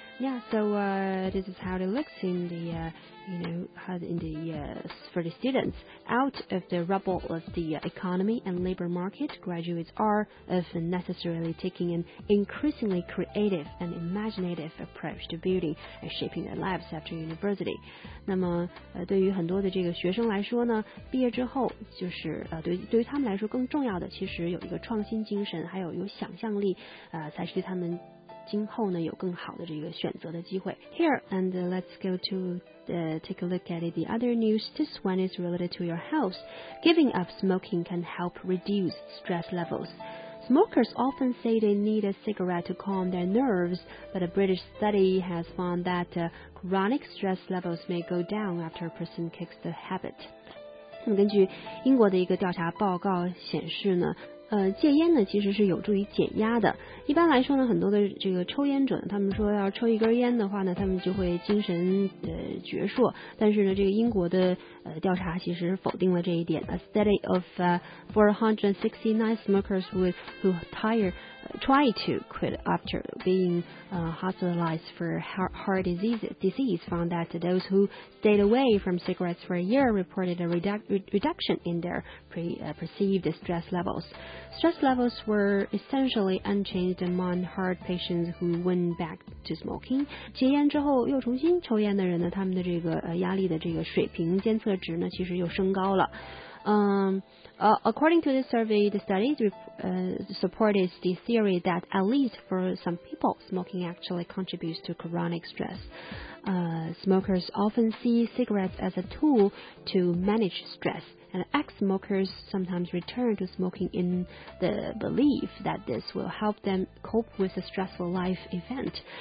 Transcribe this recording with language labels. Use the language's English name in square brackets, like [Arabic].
[English] Yeah, so this is how it looks in the, you know, in the, for the students. Out of the rubble of the economy and labor market, graduates are of necessarily taking an increasingly creative and imaginative approach to building and shaping their lives after university. [Chinese] 那么对于很多的这个学生来说呢，毕业之后就是对于他们来说更重要的其实有一个创新精神，还有想象力，才是对他们今后呢有更好的这个选择的机会。 [English] Here and let's go to take a look at the other news. This one is related to your health. Giving up smoking can help reduce stress levels. Smokers often say they need a cigarette to calm their nerves, but a British study has found that chronic stress levels may go down after a person kicks the habit. [Chinese] 那么根据英国的一个调查报告显示呢。戒烟呢其实是有助于减压的。一般来说呢，很多的这个抽烟者呢，他们说要抽一根烟的话呢，他们就会精神矍铄。但是呢，这个英国的调查其实否定了这一点。 [English] A study of 469 smokers who try to quit after being hospitalized for heart disease found that those who stayed away from cigarettes for a year reported a reduction in their perceived stress levels. Stress levels were essentially unchanged among heart patients who went back to smoking. [Chinese] 戒烟之后又重新抽烟的人呢，他们的这个压力的这个水平监测值呢，其实又升高了。 [English] According to the survey, the studies supported the theory that at least for some people, smoking actually contributes to chronic stress. Smokers often see cigarettes as a tool to manage stress. And ex-smokers sometimes return to smoking in the belief that this will help them cope with a stressful life event.